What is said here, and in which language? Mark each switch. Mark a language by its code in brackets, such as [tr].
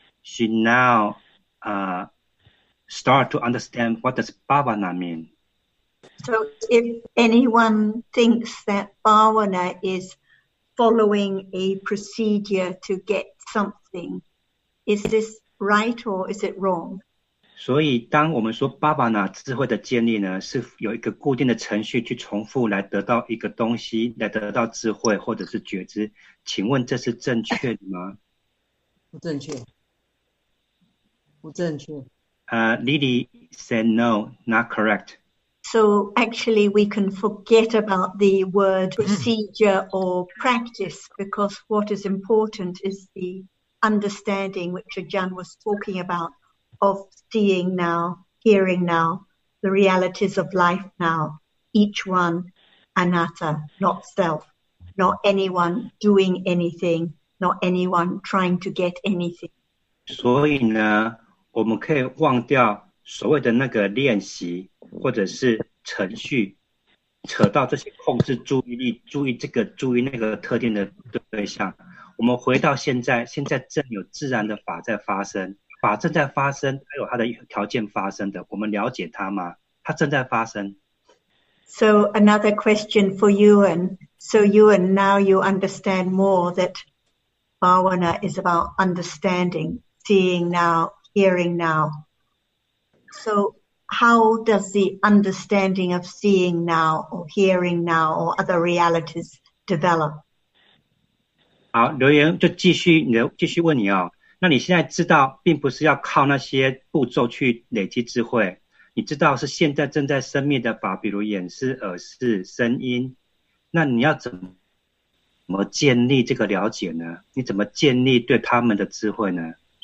[en] She now... start to understand what does Bhavana mean. So if anyone thinks that Bhavana is following a procedure to get something, is this right or is it wrong? [zh] 所以，当我们说巴巴那智慧的建立呢，是有一个固定的程序去重复来得到一个东西，来得到智慧或者是觉知。请问这是正确的吗？不正确，不正确。 [en] Lily said no, not correct. So actually, we can forget about the word procedure or practice because what is important is the understanding which Ajahn was talking about of seeing now, hearing now, the realities of life now, each one anatta, not self, not anyone doing anything, not anyone trying to get anything. [zh] 所以呢，我们可以忘掉所谓的那个练习或者是程序，扯到这些控制注意力，注意这个，注意那个特定的对象。我们回到现在，现在正有自然的法在发生，法正在发生，它有它的条件发生的，我们了解它吗？它正在发生。 [en] So another question for Ewan. So Ewan, now you understand more that Bhavana is about understanding, seeing now, hearing now. So how does the understanding of seeing now or hearing now or other realities develop? [zh] 好，刘源就继续问你哦。那你现在知道，并不是要靠那些步骤去累积智慧。你知道是现在正在生灭的法，比如眼识、耳识、声音。那你要怎么建立这个了解呢？你怎么建立对他们的智慧呢？